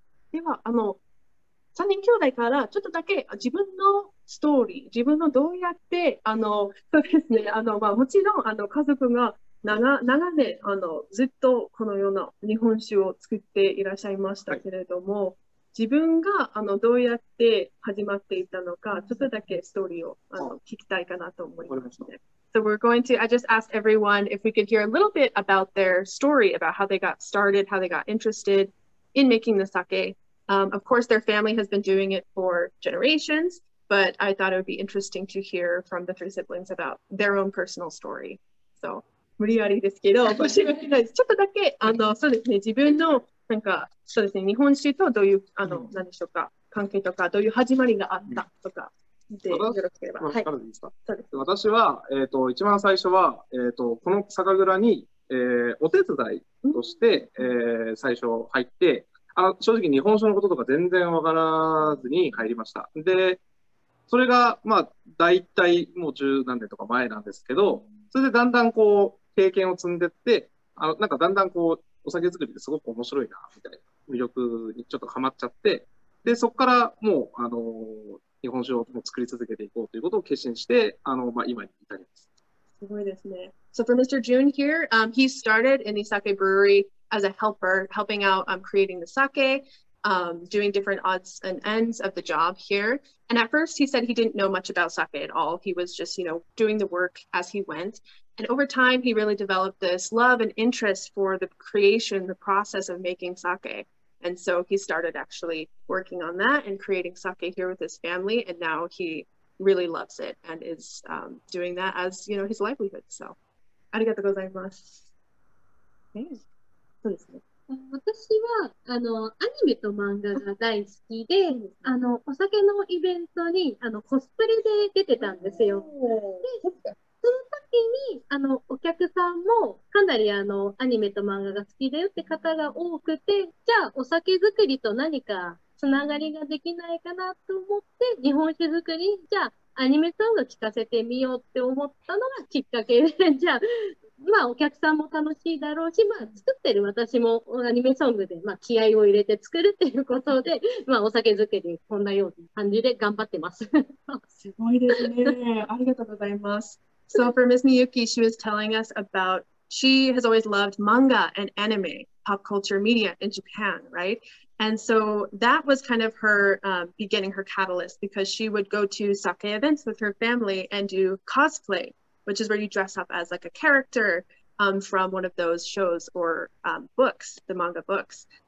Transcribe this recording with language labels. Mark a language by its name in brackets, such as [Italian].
[Japanese] ではあの三人兄弟からちょっとだけ自分のストーリー、自分のどうやってあのそうですね、あの、まあ、もちろんあの家族が長年あのずっとこのような日本酒を作っていらっしゃいましたけれども、はい、自分があのどうやって始まっていたのかちょっとだけストーリーをあの聞きたいかなと思いますね。 [English] So we're going to, I just asked everyone if we could hear a little bit about their story, about how they got started, how they got interested. In making the sake.、of course, their family has been doing it for generations, but I thought it would be interesting to hear from the three siblings about their own personal story. [Japanese] So, 無理やりですけど、申し訳ないです。ちょっとだけ、あの、そうですね、自分の、なんか、そうですね、日本酒とどういう、あの、何でしょうか、関係とか、どういう始まりがあったとか、で、よろしければ。はい、そうです。私は、一番最初は、この酒蔵に、お手伝いとして、最初入って、あの、正直日本酒のこととか全然わからずに入りました。で、それが、まあ、大体もう十何年とか前なんですけど、それでだんだんこう、経験を積んでって、あの、なんかだんだんこう、お酒作りってすごく面白いなみたいな魅力にちょっとハマっちゃって、でそこからもう日本酒を作り続けていこうということを決心して、まあ、今に至ります。 [English] すごいですね。 So for Mr. Jun here, he started in the sake brewery as a helper, helping out creating the sake, doing different odds and ends of the job here. And at first he said he didn't know much about sake at all. He was just, you know, doing the work as he went. And over time he really developed this love and interest for the creation, the process of making sake. And so he started actually working on that and creating sake here with his family. And now he really loves it and is doing that as, you know, his livelihood. [Japanese] So, arigatou gozaimasu. 私はアニメと漫画が大好きで、お酒のイベントにコスプレで出てたんですよ。で、その時にお客さんもかなりアニメと漫画が好きだよって方が多くて、じゃあお酒作りと何かつながりができないかなと思って、日本酒作りにじゃあアニメソング聞かせてみようって思ったのがきっかけで、じゃあまあお客さんも楽しいだろうし、まあ作ってる私もアニメソングでまあ気合を入れて作るっていうことで、まあお酒漬けでこんなような感じで頑張ってます。すごいですね。ありがとうございます。 [English] So for Ms. Miyuki, she was telling us about she has always loved manga and anime, pop culture media in Japan, right? And so that was kind of her beginning, her catalyst, because she would go to sake events with her family and do cosplay, which is where you dress up as like a character from one of those shows or books, the manga books.